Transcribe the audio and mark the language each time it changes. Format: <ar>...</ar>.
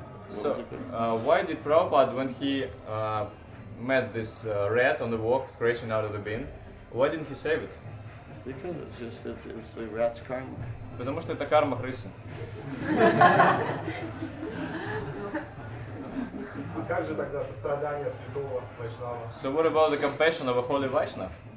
<en>So, why did Prabhupada, when he met this rat on the walk, scratching out of the bin, why didn't he save it? Because it's the rat's karma.</en> <ru>Потому что это карма крысы. Как же тогда сострадание святого Вайшнава?</ru> <en>So what about the compassion of a holy Vaishnav?</en>